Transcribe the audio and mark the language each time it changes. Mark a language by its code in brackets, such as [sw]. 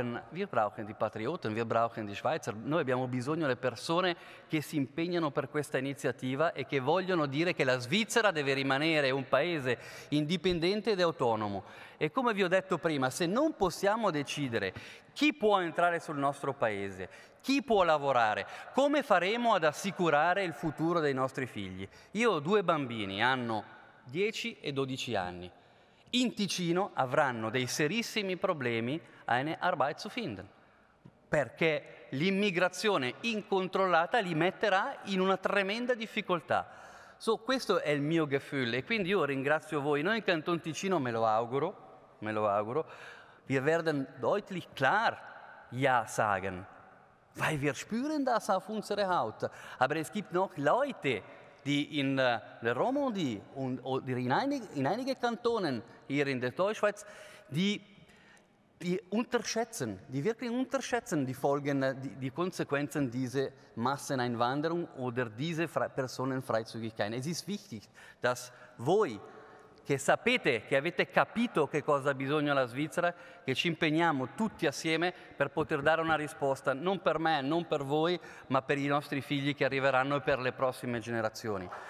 [de] Wir brauchen die Patrioten, wir brauchen die Schweizer. [it] Noi abbiamo bisogno delle persone che si impegnano per questa iniziativa e che vogliono dire che la Svizzera deve rimanere un paese indipendente ed autonomo. E come vi ho detto prima, se non possiamo decidere chi può entrare sul nostro paese, chi può lavorare, come faremo ad assicurare il futuro dei nostri figli? Io ho due bambini, hanno 10 e 12 anni. In Ticino avranno dei serissimi problemi [de] eine Arbeit zu finden, [it] perché l'immigrazione incontrollata li metterà in una tremenda difficoltà. So, questo è il mio Gefühl e quindi io ringrazio voi. Noi in Canton Ticino me lo auguro, [de] wir werden deutlich klar Ja sagen, weil wir spüren das auf unsere Haut. Aber es gibt noch Leute, die in der Romandie und in einigen Kantonen hier in der Deutschschweiz, die wirklich unterschätzen die Folgen, die Konsequenzen dieser Masseneinwanderung oder dieser Personenfreizügigkeit. Es ist wichtig, dass [it] voi, che sapete, che avete capito che cosa ha bisogno la Svizzera, che ci impegniamo tutti assieme per poter dare una risposta, non per me, non per voi, ma per i nostri figli che arriveranno e per le prossime generazioni.